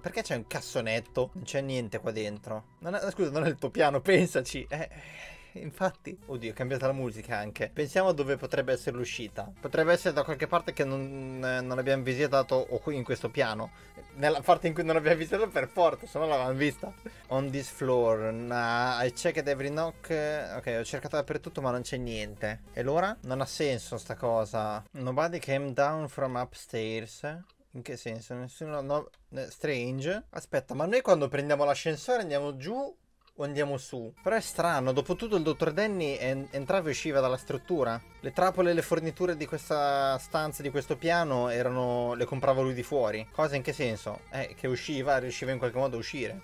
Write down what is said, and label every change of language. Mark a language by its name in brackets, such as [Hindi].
[Italian] Perché c'è un cassonetto? Non c'è niente qua dentro. Non è, scusa, non è il tuo piano. Pensaci. Infatti. Oddio, è cambiata la musica anche. Pensiamo a dove potrebbe essere l'uscita. Potrebbe essere da qualche parte che non abbiamo visitato, o qui in questo piano. Nella parte in cui non abbiamo visitato, per forza, se no l'avevamo vista. [English] On this floor. Nah, I checked every knock. [Italian] Ok, ho cercato dappertutto, ma non c'è niente. E allora? Non ha senso sta cosa. [English] Nobody came down from upstairs. [Italian] In che senso? Nessuno. No, [English] strange. [Italian] Aspetta, ma noi quando prendiamo l'ascensore andiamo giù? O andiamo su? Però è strano, dopo tutto il dottor Danny entrava e usciva dalla struttura. Le trappole e le forniture di questa stanza, di questo piano, erano. Le comprava lui di fuori. Cosa in che senso? Che usciva, riusciva in qualche modo a uscire.